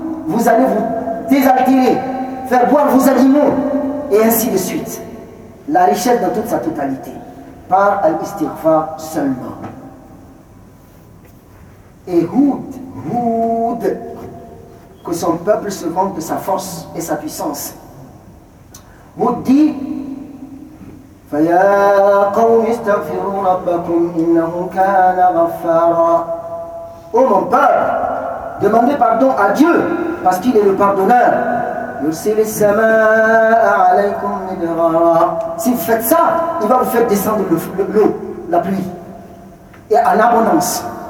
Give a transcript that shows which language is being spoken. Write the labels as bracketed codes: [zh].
[fr] Vous allez vous désaltérer, faire boire vos animaux et ainsi de suite. La richesse dans toute sa totalité par al-istighfar seulement. Et Houd, que son peuple se vante de sa force et sa puissance. Houd dit: [ar] فَيَا قَوْمِ اسْتَغْفِرُوا رَبَّكُمْ إِنَّهُ كَانَ غَفَّارًا. [fr] Oh mon père, demandez pardon à Dieu, parce qu'il est le pardonneur. [ar] يُرْسِلِ السَّمَاءَ عَلَيْكُمْ مِدْرَارًا. [fr] Si vous faites ça, il va vous faire descendre l'eau, la pluie, et en abondance.